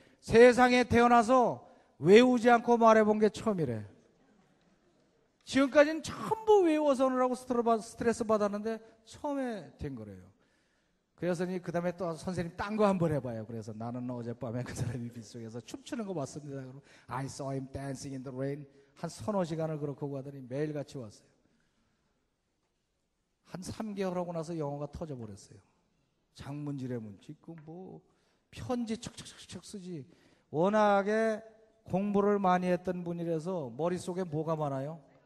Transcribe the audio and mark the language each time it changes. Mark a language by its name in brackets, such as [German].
[Korean] 세상에 태어나서 외우지 않고 말해본 게 처음이래. 지금까지는 전부 외워서 오느라고 스트레스 받았는데 처음에 된 거래요. 그래서니 그 다음에 또 선생님 딴거 한번 해봐요. 그래서 나는 어젯밤에 그 사람이 빗속에서 춤추는 거 봤습니다. 그럼 [English] I saw him dancing in the rain. [Korean] 한 서너 시간을 그렇게 하고 하더니 매일같이 왔어요. 한 3개월 하고 나서 영어가 터져버렸어요. 장문지레 문지 그뭐 편지 척척척척 쓰지. 워낙에 공부를 많이 했던 분이라서 머릿속에 뭐가 많아요?